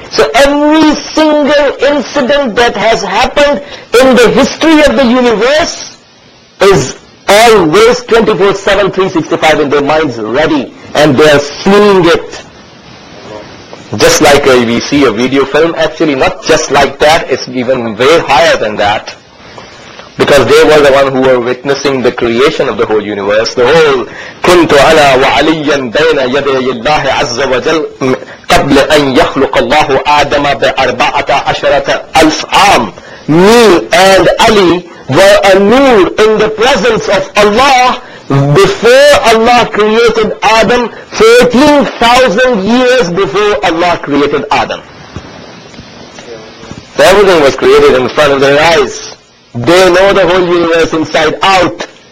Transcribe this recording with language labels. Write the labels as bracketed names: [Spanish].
[English] So every single incident that has happened in the history of the universe is always 24/7, 365 in their minds ready, and they are seeing it. Just like we see a video film, actually not just like that, it's even way higher than that. Because they were the one who were witnessing the creation of the whole universe. The whole, [Arabic] كُنْتُ عَلَىٰ وَعَلِيًّا بَيْنَ يَدَيَ اللَّهِ عَزَّ وَجَلْ قَبْلَ أَنْ يَخْلُقَ اللَّهُ آدَمَ بِأَرْبَعَةَ عَشَرَةَ أَلْفْعَامِ. [English] Me and Ali were a nur in the presence of Allah before Allah created Adam, 14,000 years before Allah created Adam. So everything was created in front of their eyes. They know the whole universe inside out.